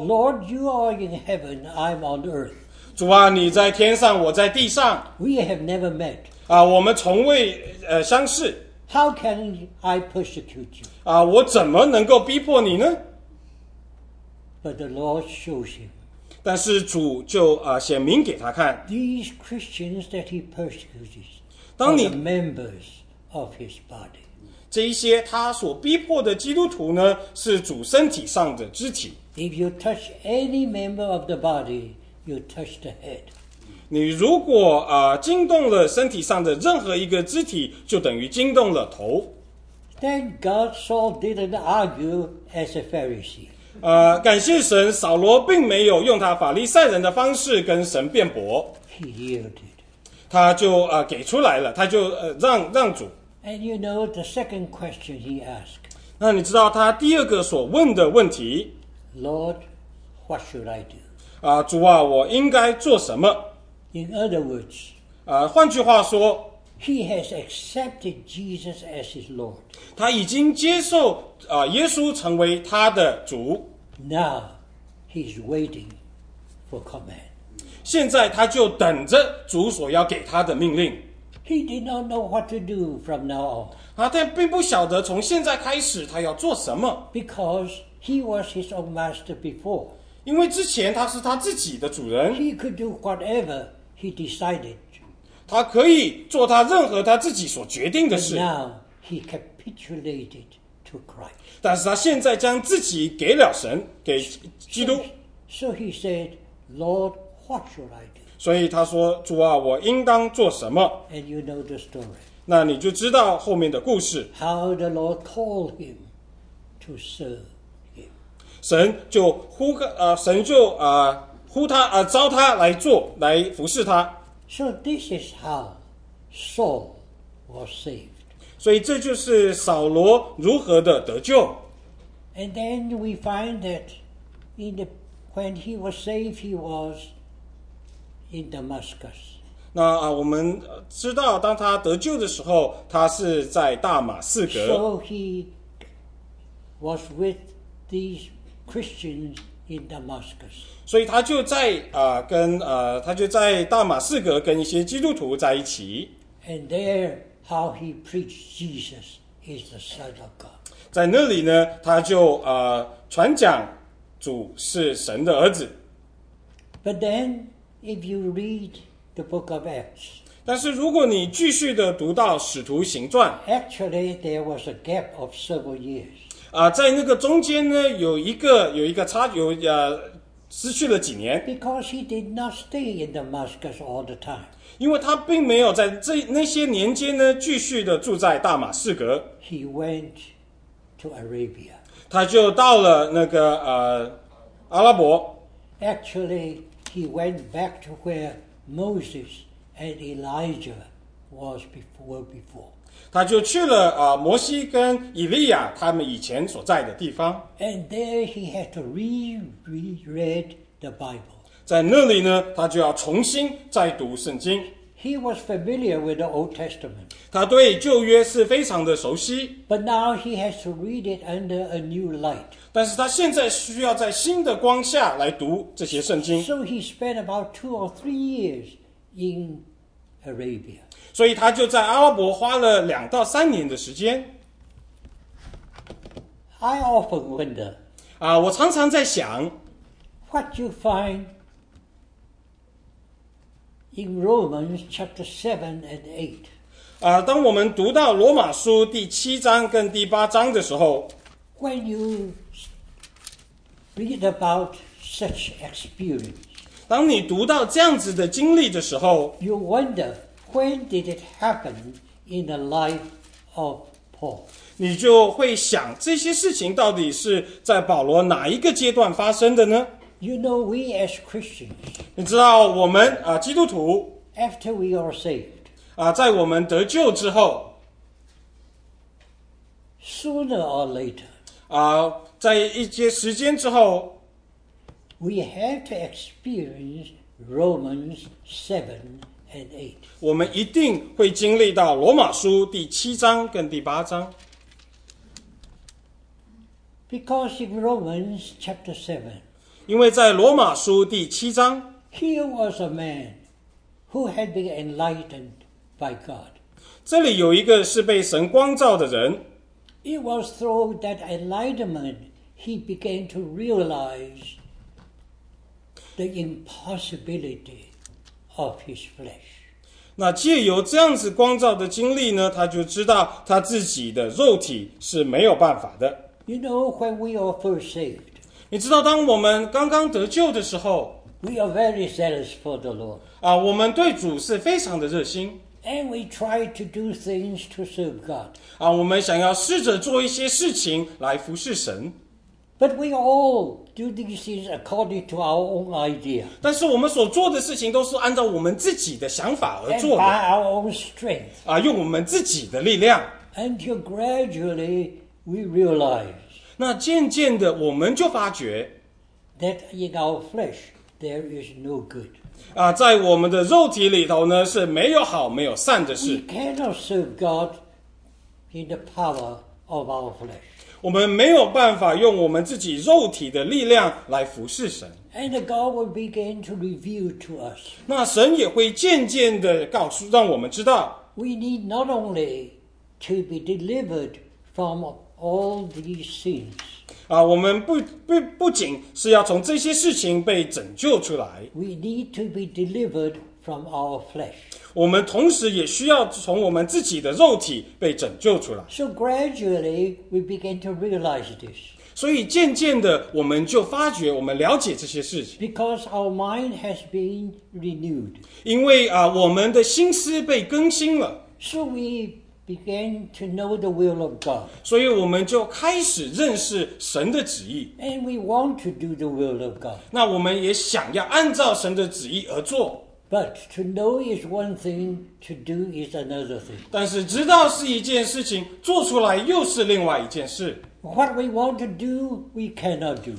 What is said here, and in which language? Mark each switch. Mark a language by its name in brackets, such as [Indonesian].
[English] ，Lord, you are in heaven, I'm on earth. [Chinese] 主啊，你在天上，我在地上。 [English] We have never met. [Chinese] 我们从未相识。 [English] How can I persecute you? [Chinese] 我怎么能够逼迫你呢？ [English] But the Lord shows him. [Chinese] 但是主就显明给他看。 [English] These Christians that he persecutes are the members of his body. [Chinese] 这一些他所逼迫的基督徒呢，是主身体上的肢体。 [English] If you touch any member of the body, you touch the head. [Chinese] 你如果惊动了身体上的任何一个肢体，就等于惊动了头。 [English] Thank God, Saul didn't argue as a Pharisee. [Chinese] 感谢神，扫罗并没有用他法利赛人的方式跟神辩驳。 [English] He yielded. [Chinese] 他就给出来了，他就让主。 [English] And you know the second question he asked. [Chinese] 那你知道他第二个所问的问题？ [English] Lord, what should I do? [Chinese] 主啊，我应该做什么？ [English] In other words, [Chinese] 换句话说， [English] He has accepted Jesus as his Lord. [Chinese] 他已经接受耶稣成为他的主。 [English] Now, he's waiting for command. [Chinese] 现在他就等着主所要给他的命令。 [English] He did not know what to do from now on. [Chinese] 他并不晓得从现在开始他要做什么。 [English] Because He was his own master before. [Chinese] 因为之前他是他自己的主人。 [English] He could do whatever he decided. [Chinese] 他可以做他任何他自己所决定的事。 [English] But now he capitulated to Christ. [Chinese] 但是他现在将自己给了神，给基督。 [English] So he said, Lord, what should I do? [Chinese] 所以他说，主啊，我应当做什么？ [English] And you know the story. [Chinese] 那你就知道后面的故事。 [English] How the Lord called him to serve. [Chinese] 神就呼神就呼他招他来做来服侍他。 [English] So this is how Saul was saved. [Chinese] 所以这就是扫罗如何的得救。 [English] And then we find that in the when he was saved, he was in Damascus. [Chinese] 那我们知道，当他得救的时候，他是在大马士革。 [English] So he was with these. Christians in Damascus. [Chinese] 所以他就在他就在大马士革跟一些基督徒在一起。 [English] And there, how he preached Jesus is the Son of God. [Chinese] 在那里呢，他就传讲主是神的儿子。 [English] But then, if you read the Book of Acts, [Chinese] 但是如果你继续的读到《使徒行传》 [English] ，Actually, there was a gap of several years. [Chinese] 在那个中间呢，有一个差，失去了几年。 [English] Because he did not stay in Damascus all the time. [Chinese] 因为他并没有在那些年间呢，继续的住在大马士革。 [English] He went to Arabia. [Chinese] 他就到了那个阿拉伯。 [English] Actually, he went back to where Moses and Elijah was before. [Chinese] 他就去了摩西跟以利亚他们以前所在的地方。 [English] And there he had to re-read the Bible. [Chinese] 在那里呢，他就要重新再读圣经。 [English] He was familiar with the Old Testament. [Chinese] 他对旧约是非常的熟悉。 [English] But now he has to read it under a new light. [Chinese] 但是他现在需要在新的光下来读这些圣经。 [English] So he spent about 2 or 3 years in Arabia. [Chinese] 所以他就在阿拉伯花了2到3年的时间。 [English] I often wonder, [Chinese] 我常常在想 [English] ，What do you find in Romans chapter 7 and 8？ [Chinese] 当我们读到罗马书第7章跟第8章的时候 [English] ，When you read about such experience， [Chinese] 当你读到这样子的经历的时候 [English] ，You wonder。 When did it happen in the life of Paul? [Chinese] 你就会想这些事情到底是在保罗哪一个阶段发生的呢？ [English] You know, we as Christians, [Chinese] 你知道我们基督徒 [English] after we are saved, [Chinese] 在我们得救之后 [English] sooner or later, [Chinese] 在一些时间之后 [English] we have to experience Romans 7 and 8. [Chinese] 我们一定会经历到罗马书第7章跟第8章。 [English] Because in Romans chapter 7, [Chinese] 因为在罗马书第7章 [English] ，Here was a man who had been enlightened by God. [Chinese] 这里有一个是被神光照的人。 [English] It was through that enlightenment he began to realize the impossibility of his flesh. [Chinese] 那借由这样子光照的经历呢，他就知道他自己的肉体是没有办法的。 [English] You know, when we are first saved, [Chinese] 你知道当我们刚刚得救的时候， [English] we are very zealous for the Lord. [Chinese] 啊，我们对主是非常的热心。 [English] And we try to do things to serve God. [Chinese] 啊，我们想要试着做一些事情来服侍神。 [English] But we all do these things according to our own idea. [Chinese] 但是我们所做的事情都是按照我们自己的想法而做的。 [English] And by our own strength. [Chinese] 啊，用我们自己的力量。 [English] Until gradually we realize. [Chinese] 那渐渐的我们就发觉 [English] that in our flesh there is no good. [Chinese] 啊，在我们的肉体里头呢是没有好没有善的事。 [English] We cannot serve God in the power of our flesh. [Chinese] 我们没有办法用我们自己肉体的力量来服侍神。 [English] And God will begin to reveal to us. [Chinese] 那神也会渐渐地告诉，让我们知道。 [English] We need not only to be delivered from all these sins. [Chinese] 啊，我们不仅是要从这些事情被拯救出来。 [English] We need to be delivered from our flesh. [Chinese] 我们同时也需要从我们自己的肉体被拯救出来。 [English] So gradually we begin to realize this. [Chinese] 所以渐渐的我们就发觉我们了解这些事情。 [English] Because our mind has been renewed. [Chinese] 因为啊，我们的心思被更新了。 [English] So we begin to know the will of God. [Chinese] 所以我们就开始认识神的旨意。 [English] And we want to do the will of God. [Chinese] 那我们也想要按照神的旨意而做。 [English] But to know is one thing, to do is another thing. [Chinese] 但是知道是一件事情，做出来又是另外一件事。 [English] What we want to do, we cannot do.